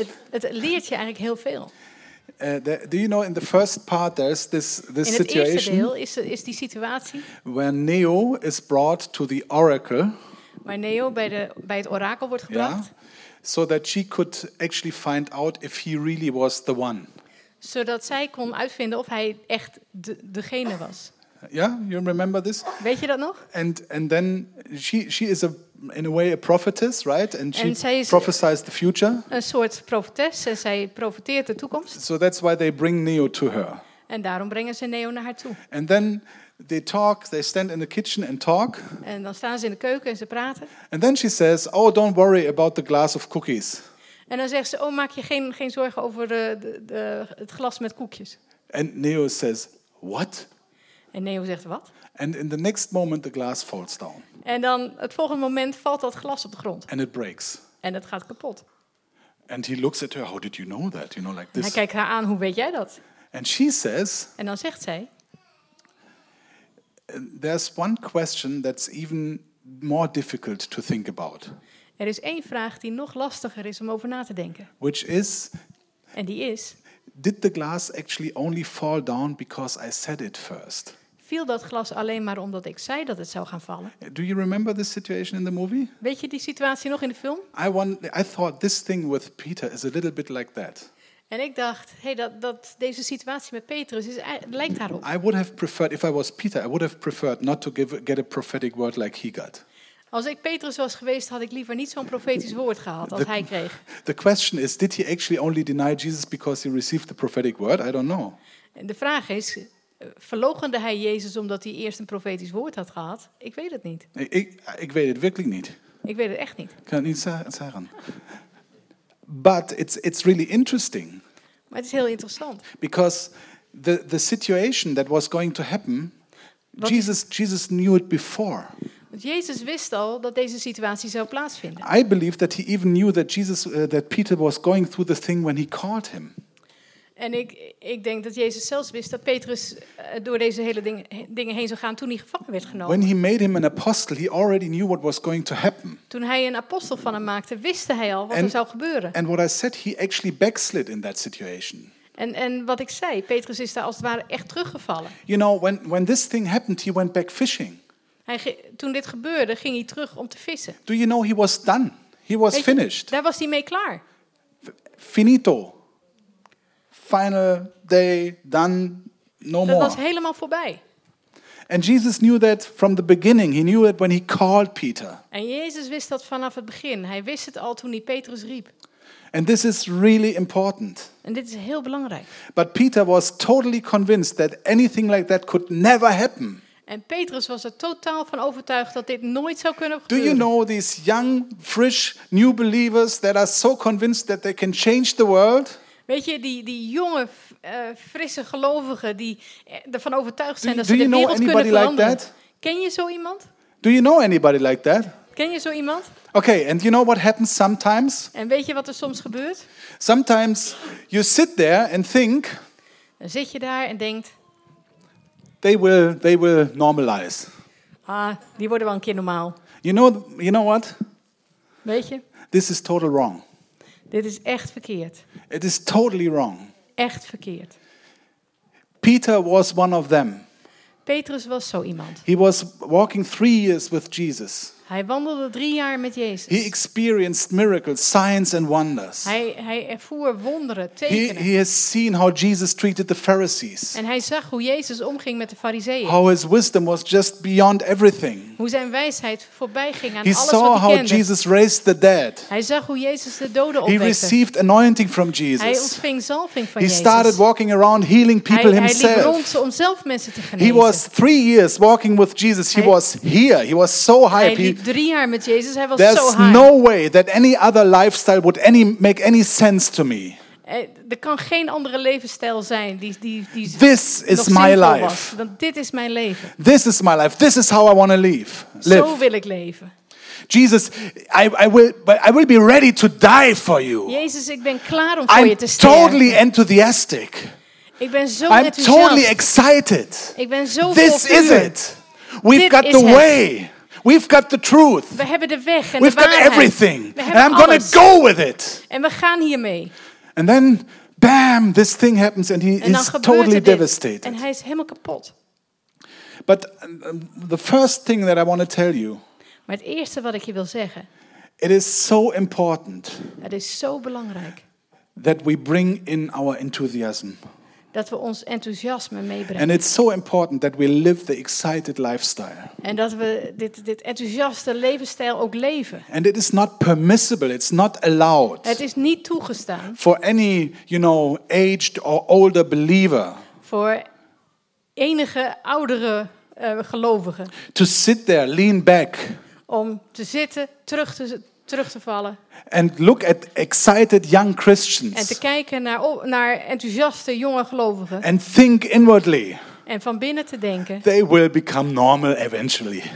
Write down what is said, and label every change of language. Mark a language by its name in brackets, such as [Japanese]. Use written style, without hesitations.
[Dutch] Het leert je eigenlijk heel veel. [English] Do you know in the first part there's this situation? [Dutch] In het eerste deel is die situatie. [English] Where Neo is brought to the Oracle. [Dutch] Waar Neo bij het orakel wordt gebracht. [English] Yeah. So that she could actually find out if he really was the one. [Dutch] Zodat zij kon uitvinden of hij echt degene was. [English] Yeah, you remember this? [German] Welche dann noch? [English] And then she is a in a way a prophetess, right? And she prophesies the future. [Dutch] Een soort profetes en zij profeteert de toekomst. [English] So that's why they bring Neo to her. [Dutch] En daarom brengen ze Neo naar haar toe. [English] And then they talk, they stand in the kitchen and talk. [Dutch] En dan staan ze in de keuken en ze praten. [English] And then she says, "Oh, don't worry about the glass of cookies." [Dutch] En dan zegt ze: "Oh, maak je geen zorgen over het glas met koekjes." [English] And Neo says, "What?" [Dutch] En Neo zegt: "Wat?" [English] And in the next moment the glass falls down. [Dutch] En dan het volgende moment valt dat glas op de grond. [English] And it breaks. [Dutch] En het gaat kapot. [English] And he looks at her, "How did you know that?" You know, like this. [Dutch] Hij kijkt haar aan, "Hoe weet jij dat?" [English] And she says, [Dutch] en dan zegt zij: [English] "There's one question that's even more difficult to think about." [Dutch] Er is één vraag die nog lastiger is om over na te denken. [English] Which is, [Dutch] en die is: [English] "Did the glass actually only fall down because I said it first?" [Dutch] Viel dat glas alleen maar omdat ik zei dat het zou gaan vallen? [English] Do you remember this situation in the movie? [Dutch] Weet je die situatie nog in de film? [English] I thought this thing with Peter is a little bit like that. [Dutch] En ik dacht, hey, dat deze situatie met Petrus is, lijkt daarop. [English] I would have preferred, if I was Peter, I would have preferred not to get a prophetic word like he got. [Dutch] Als ik Petrus was geweest, had ik liever niet zo'n profetisch woord gehad als hij kreeg. [English] The question is, did he actually only deny Jesus because he received the prophetic word? I don't know. [Dutch] De vraag is, verloochende hij Jezus omdat hij eerst een profetisch woord had gehad? Ik weet het niet. Ik weet het werkelijk niet. Ik weet het echt niet. Ik kan het niet zeggen. [English] But it's really interesting. [Dutch] Maar het is heel interessant. [English] Because the situation that was going to happen, Jesus knew it before. [Dutch] Want Jezus wist al dat deze situatie zou plaatsvinden. [English] I believe that he even knew that Jesus that Peter was going through the thing when he called him. [Dutch] En ik denk dat Jezus zelfs wist dat Petrus door deze hele dingen heen zou gaan toen hij gevangen werd genomen. [English] When he made him an apostle, he already knew what was going to happen. [Dutch] Toen hij een apostel van hem maakte, wist hij al wat er zou gebeuren. [English] And what I said, he actually backslid in that situation. [Dutch] En wat ik zei, Petrus is daar als het ware echt teruggevallen. [English] You know, when this thing happened, he went back fishing. [Dutch] Toen dit gebeurde, ging hij terug om te vissen. [English] Do you know he was done? He was finished. [Dutch] Daar was hij mee klaar. [English] Finito. Final day, done, no more. [Dutch] Dat was helemaal voorbij. [English] And Jesus knew that from the beginning. He knew it when he called Peter. [Dutch] En Jezus wist dat vanaf het begin. Hij wist het al toen hij Petrus riep. [English] And this is really important. [Dutch] En dit is heel belangrijk. [English] But Peter was totally convinced that anything like that could never happen. [Dutch] En Petrus was er totaal van overtuigd dat dit nooit zou kunnen gebeuren. [English] Do you know these young, fresh, new believers that are so convinced that they can change the world? [Dutch] Weet je, die jonge, frisse gelovigen die ervan overtuigd zijn dat ze de wereld kunnen veranderen. [English] Like that? [Dutch] Ken je zo iemand? [English] Do you know anybody like that? [Dutch] Ken je zo iemand? [English] Okay, and you know what happens sometimes? [Dutch] En weet je wat er soms gebeurt? [English] Sometimes you sit there and think. [Dutch] Dan zit je daar en denkt. [English] They will normalize. [Dutch] Ah, die worden wel een keer normaal. [English] You know what? [Dutch] Weet je? [English] This is total wrong. [Dutch] Dit is echt verkeerd. [English] It is totally wrong. [Dutch] Echt verkeerd. [English] Peter was one of them. [Dutch] Petrus was zo iemand. [English] He was walking 3 years with Jesus. [Dutch] Hij wandelde 3 jaar met Jezus. [English] He experienced miracles, signs and wonders. [Dutch] Hij ervoer wonderen, tekenen. [English] He has seen how Jesus treated the Pharisees. [Dutch] En hij zag hoe Jezus omging met de Farizeeën. [English] How his wisdom was just beyond everything. [Dutch] Hoe zijn wijsheid voorbij ging aan alles wat hij kende. [English] He saw how Jesus raised the dead. [Dutch] Hij zag hoe Jezus de doden opwekte. [English] He received anointing from Jesus. [Dutch] Hij ontving zalving van [English] Jezus. He started walking around healing people himself. [Dutch] Hij liep rond om zelf mensen te genezen. [English] He was 3 years walking with Jesus. He was here. He was so high. [Dutch] Hij liep 3 jaar met Jezus. Hij was zo high. [English] There's no way that any other lifestyle would make any sense to me. [Dutch] Er kan geen andere levensstijl zijn die [English] This is my life. [Dutch] Want dit is mijn leven. [English] This is my life. This is how I want to live. [Dutch] Zo wil ik leven. [English] Jesus, I will be ready to die for you. [Dutch] Jezus, ik ben klaar om voor je te sterven. [English] I'm totally enthusiastic. [Dutch] Ik ben zo enthousiast. [English] I'm totally excited. [Dutch] Ik ben zo vol vuur. [English] This is it. We've got the way. We've got the truth. [Dutch] We hebben de weg en [English] we've [Dutch] de waarheid. [English] Got everything. [Dutch] We hebben [English] and I'm going to go with it. [Dutch] En we gaan hiermee. [English] And then bam, this thing happens and he is totally devastated. [Dutch] En hij is helemaal kapot. [English] But the first thing that I want to tell you. [Dutch] Maar het eerste wat ik je wil zeggen. [English] It is so important. [Dutch] Het is zo belangrijk. [English] That we bring in our enthusiasm. [Dutch] dat we ons enthousiasme meebrengen. [English] And it's so important that we live the excited lifestyle. [Dutch] En dat we dit enthousiaste levensstijl ook leven. [English] And it is not permissible, it's not allowed. [Dutch] Het is niet toegestaan. [English] For any, you know, aged or older believer. [Dutch] Voor enige oudere gelovige. [English] To sit there, lean back. [Dutch] Om te zitten, terug te vallen. [English] And look at excited young Christians. [Dutch] En te kijken naar enthousiaste jonge gelovigen. [English] And think inwardly. [Dutch] En van binnen te denken. [English] They will become normal eventually.